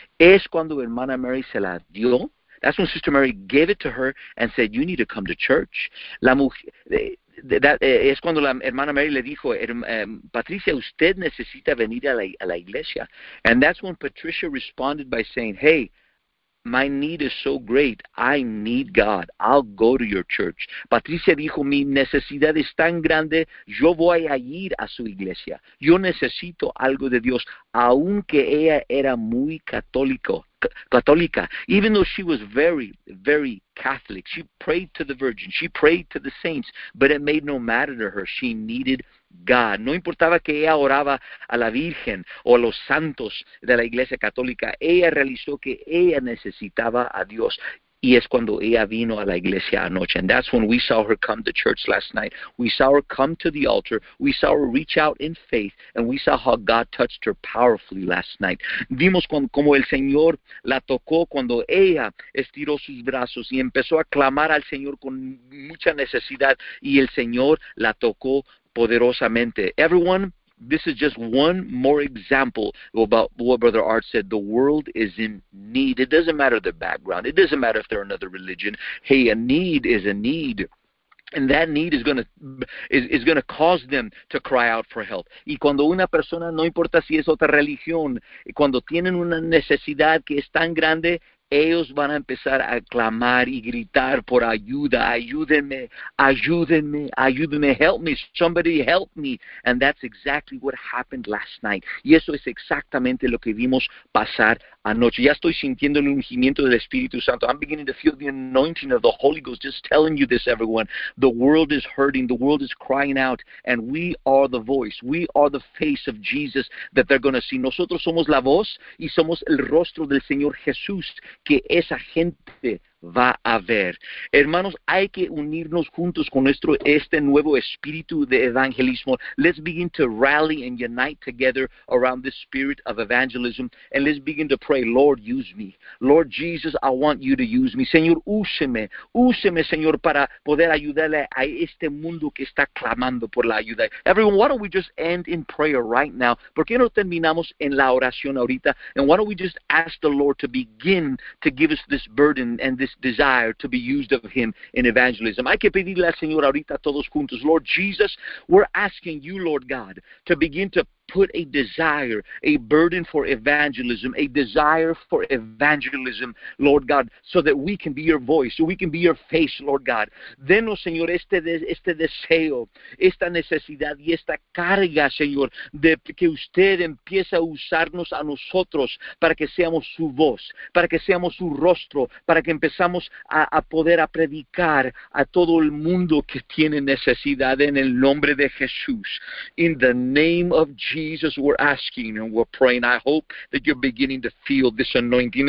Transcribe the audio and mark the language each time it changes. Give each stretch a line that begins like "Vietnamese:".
Spanish: Es cuando hermana Mary se la dio.
English: That's when Sister Mary gave it to her and said, you need to come to church.
Spanish: Es cuando la hermana Mary le dijo, Patricia, usted necesita venir a la iglesia.
English: And that's when Patricia responded by saying, hey, my need is so great. I need God. I'll go to your church.
Spanish: Patricia dijo, mi necesidad es tan grande, yo voy a ir a su iglesia. Yo necesito algo de Dios, aunque ella era muy católico. Católica.
English: Even though she was very, very Catholic, she prayed to the Virgin, she prayed to the saints, but it made no matter to her. She needed God.
Spanish: No importaba que ella oraba a la Virgen o a los santos de la Iglesia Católica, ella realizó que ella necesitaba a Dios. Y es cuando ella vino a la iglesia anoche.
English: And that's when we saw her come to church last night. We saw her come to the altar. We saw her reach out in faith. And we saw how God touched her powerfully last night.
Spanish: Vimos como el Señor la tocó cuando ella estiró sus brazos y empezó a clamar al Señor con mucha necesidad. Y el Señor la tocó poderosamente.
English: Everyone, this is just one more example about what Brother Art said. The world is in need. It doesn't matter their background. It doesn't matter if they're another religion. Hey, a need is a need. And that need is going to cause them to cry out for help.
Spanish: Y cuando una persona, no importa si es otra religión, cuando tienen una necesidad que es tan grande, ellos van a empezar a clamar y gritar por ayuda. Ayúdenme, ayúdenme, ayúdenme,
English: help me, somebody help me. And that's exactly what happened last night.
Spanish: Y eso es exactamente lo que vimos pasar anoche. Ya estoy sintiendo el ungimiento del Espíritu Santo.
English: I'm beginning to feel the anointing of the Holy Ghost. Just telling you this, everyone. The world is hurting. The world is crying out. And we are the voice. We are the face of Jesus that they're going to see.
Spanish: Nosotros somos la voz y somos el rostro del Señor Jesús que esa gente va a ver. Hermanos, hay que unirnos juntos con nuestro este nuevo espíritu de evangelismo.
English: Let's begin to rally and unite together around this spirit of evangelism, and let's begin to pray, Lord, use me. Lord Jesus, I want you to use me.
Spanish: Señor, úseme. Úseme, Señor, para poder ayudarle a este mundo que está clamando por la ayuda.
English: Everyone, why don't we just end in prayer right now?
Spanish: ¿Por qué no terminamos en la oración ahorita?
English: And why don't we just ask the Lord to begin to give us this burden and this desire to be used of him in evangelism.
Spanish: Hay que pedirle al Señor ahorita todos juntos.
English: Lord Jesus, we're asking you, Lord God, to begin to put a desire, a burden for evangelism, a desire for evangelism, Lord God, so that we can be your voice, so we can be your face, Lord God.
Spanish: Denos, Señor, este deseo, esta necesidad y esta carga, Señor, de que usted empiece a usarnos a nosotros para que seamos su voz, para que seamos su rostro, para que empezamos a poder a predicar a todo el mundo que tiene necesidad en el nombre de Jesús.
English: In the name of Jesus, we're asking and we're praying. I hope that you're beginning to feel this anointing.